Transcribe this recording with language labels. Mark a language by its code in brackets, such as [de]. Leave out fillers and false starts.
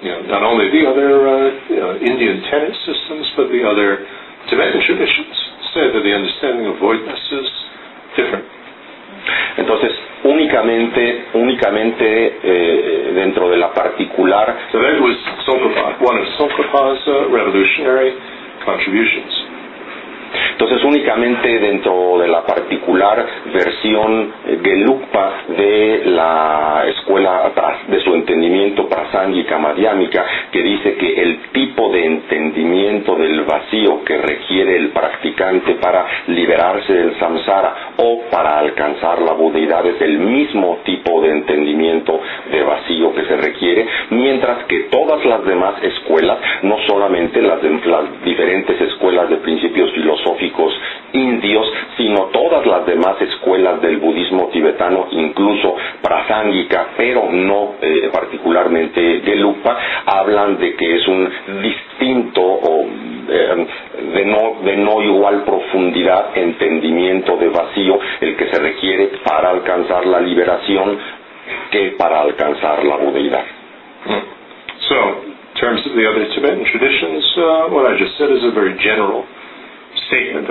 [en] not only the other Indian tenet systems, but the other Tibetan traditions say that the understanding of voidness is different. [es] Entonces, únicamente dentro de la particular. [en] So that was Tsongkhapa, one of Tsongkhapa's revolutionary contributions. [es] Entonces, únicamente dentro de la particular versión Gelugpa de la escuela de su entendimiento prasángica madhyámica, que dice que el tipo de entendimiento del vacío que requiere el practicante para liberarse del samsara o para alcanzar la budeidad es el mismo tipo de entendimiento de vacío que se requiere, mientras que todas las demás escuelas, no solamente las diferentes escuelas de principios filosóficos indios, sino todas las demás escuelas del budismo tibetano, incluso prasángica, pero no particularmente Gelugpa, hablan de que es un distinto o de no igual profundidad entendimiento de vacío el que se requiere para alcanzar la liberación que para alcanzar la budeidad. [en] So, in terms of the other Tibetan traditions, what I just said is a very general statement.